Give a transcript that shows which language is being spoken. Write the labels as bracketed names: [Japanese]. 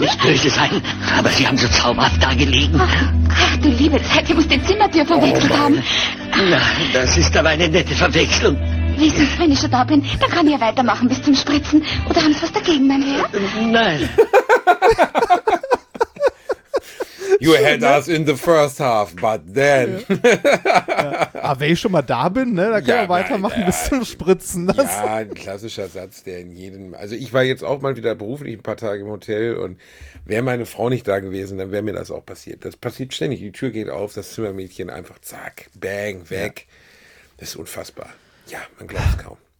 [German] Nicht böse sein, aber Sie haben so zaumhaft da gelegen. Ach, du liebe Zeit, ich muss den Zimmertür verwechselt haben. Nein, das ist aber eine nette Verwechslung. Wissen Sie, wenn ich schon da bin, dann kann ich ja weitermachen bis zum Spritzen. Oder haben Sie was dagegen, mein Herr? Nein. [English] You had us in the first half, but then. [German] Ja. Aber wenn ich schon mal da bin, ne, dann kann man weitermachen bis zum Spritzen. Das. Ja, ein klassischer Satz, der in jedem. Also ich war jetzt auch mal wieder beruflich ein paar Tage im Hotel und wäre meine Frau nicht da gewesen, dann wäre mir das auch passiert. Das passiert ständig. Die Tür geht auf, das Zimmermädchen einfach zack, bang, weg. Ja. Das ist unfassbar. Ja, man glaubt es kaum.